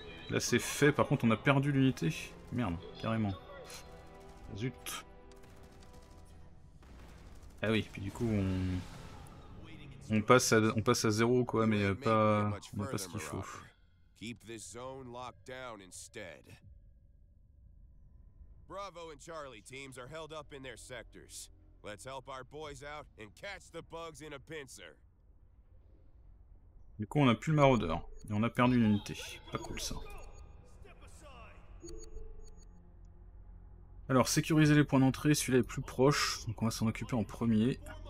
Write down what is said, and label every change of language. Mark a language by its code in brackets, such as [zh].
[fr] Là c'est fait, par contre on a perdu l'unité. Merde, carrément. Zut. Ah oui, puis du coup on passe à zéro quoi, mais pas ce qu'il faut. [en] Keep this zone locked down instead. Bravo and Charlie teams are held up in their sectors. Let's help our boys out and catch the bugs in a pincer. [fr] Du coup, on a plus le maraudeur et on a perdu une unité. Pas cool ça. Alors, sécuriser les points d'entrée, celui-là est plus proche, donc on va s'en occuper en premier.